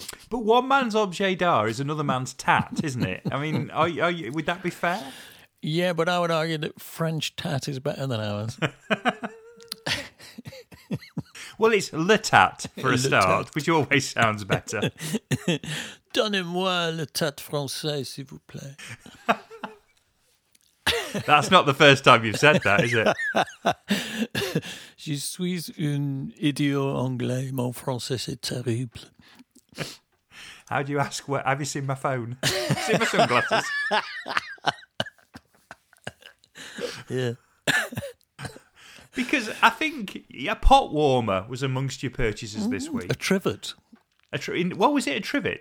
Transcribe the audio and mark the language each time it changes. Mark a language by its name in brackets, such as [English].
[English] But one man's objet d'art is another man's tat, isn't it? I mean, are you, would that be fair? Yeah, but I would argue that French tat is better than ours. Well, it's le tat for a start, which always sounds better. [French] Donnez-moi le tat français, s'il vous plaît. [English] That's not the first time you've said that, is it? [French] Je suis un idiot anglais. Mon français est terrible. [English] How do you ask? Where, have you seen my phone? See my sunglasses? Yeah. Because I think a pot warmer was amongst your purchases this week. A trivet. Was it a trivet?